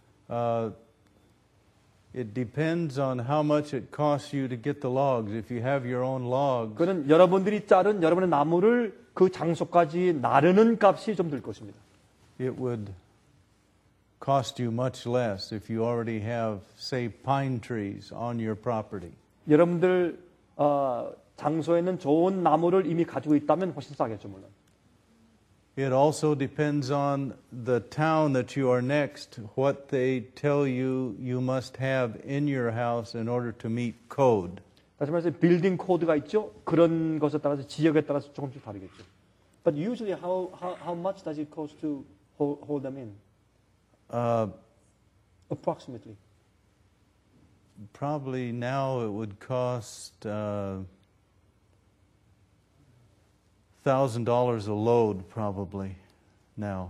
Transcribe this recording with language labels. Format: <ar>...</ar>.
<en>It depends on how much it costs you to get the logs. If you have your own logs.</en> <ko>그는 여러분들이 자른 여러분의 나무를 그 장소까지 나르는 값이 좀 들 것입니다.</ko> <en>It would cost you much less if you already have, say, pine trees on your property.</en> <ko>여러분들 장소에는 좋은 나무를 이미 가지고 있다면 훨씬 싸겠죠, 물론.</ko> <en>It also depends on the town that you are next, what they tell you you must have in your house in order to meet code.</en> <ko>다시 말해서 빌딩 코드가 있죠. 그런 것에 따라서 지역에 따라서 조금씩 다르겠죠.</ko> <en>But usually, how much does it cost to hold them in? Approximately. Probably now it would cost $1,000 a load, probably, now.</en>